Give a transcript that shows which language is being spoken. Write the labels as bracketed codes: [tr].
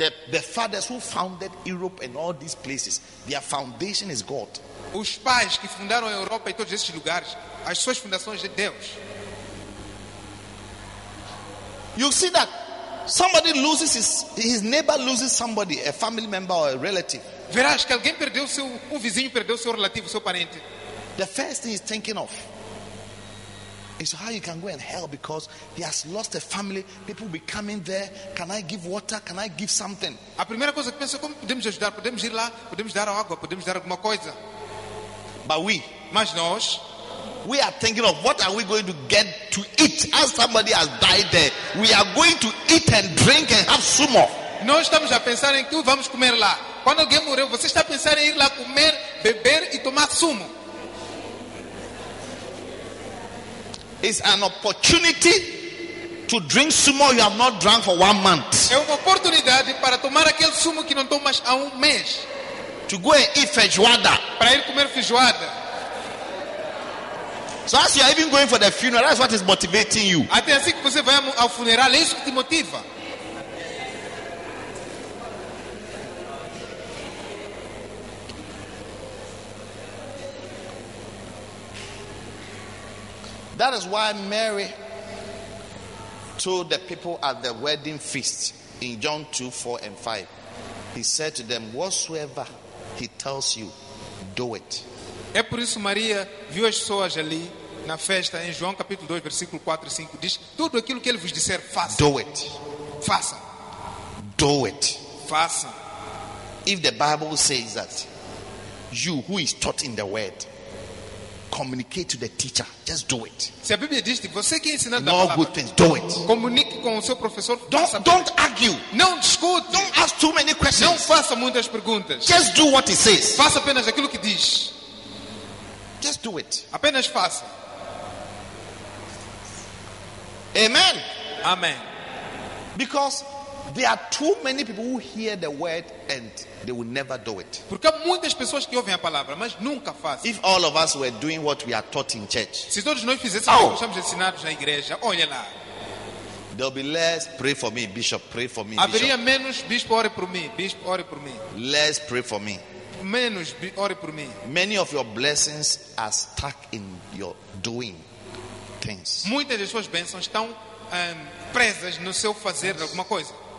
[en] The fathers who founded Europe and all these places, their foundation is God. [pt] Os pais que fundaram a Europa e todos esses lugares, as suas fundações de Deus. [en] You see that somebody loses his neighbor loses somebody, a family member or a relative. [pt] Verás que alguém perdeu seu vizinho, perdeu seu relativo, seu parente. [en] The first thing he's thinking of is how you can go and help because he has lost a family. People will be coming there. Can I give water? Can I give something? [pt] A primeira coisa que pensa como podemos ajudar? Podemos ir lá? Podemos dar água? Podemos dar alguma coisa? [en] But we, [pt] mas nós, [en] we are thinking of what are we going to get to eat as somebody has died there. We are going to eat and drink and have sumo. [pt] Nós estamos a pensar em que vamos comer lá. Quando alguém morreu, você está a pensar em ir lá comer, beber e tomar sumo. [en] It's an opportunity to drink sumo you have not drunk for 1 month. [pt] É uma oportunidade para tomar aquele sumo que não tomas há 1 mês. [en] To go and eat feijoada. [pt] Para ir comer feijoada. [en] So as you are even going for the funeral, that's what is motivating you. [pt] Até assim que você vai ao funeral, é isso que te motiva. [en] That is why Mary told the people at the wedding feast in John 2, 4 and 5. He said to them, whatsoever he tells you, do it. [pt] É por isso Maria viu as pessoas ali na festa em João capítulo 2, versículo 4 e 5. Diz, tudo aquilo que ele vos disser, faça. [en] Do it. [pt] Faça. [en] Do it. [pt] Faça. [en] If the Bible says that, you who is taught in the word, communicate to the teacher. Just do it. [pt] Se a Bíblia diz que você que ensina [en] all good things, do it. [pt] Comunique com o seu professor. [en] Don't argue. [pt] Não discute. [en] Don't ask too many questions. [pt] Não faça muitas perguntas. [en] Just do what he says. [pt] Faça apenas aquilo que diz. [en] Just do it. [pt] Apenas faça. [en] Amen. [pt] Amen. [en] Because there are too many people who hear the word and they will never do it. [pt] Porque há muitas pessoas que ouvem a palavra, mas nunca fazem. [en] If all of us were doing what we are taught in church, [pt] se todos nós fizéssemos o que somos ensinados na igreja, olha lá. [en] There'll be less, pray for me, bishop, pray for me. [pt] Haveria menos, bispo, ore por mim, bispo, ore por mim. [en] Less, pray for me. [pt] Menos, ore por mim. [en] Many of your blessings are stuck in your doing things. [pt] Muitas das suas bênçãos estão presas no seu fazer alguma coisa.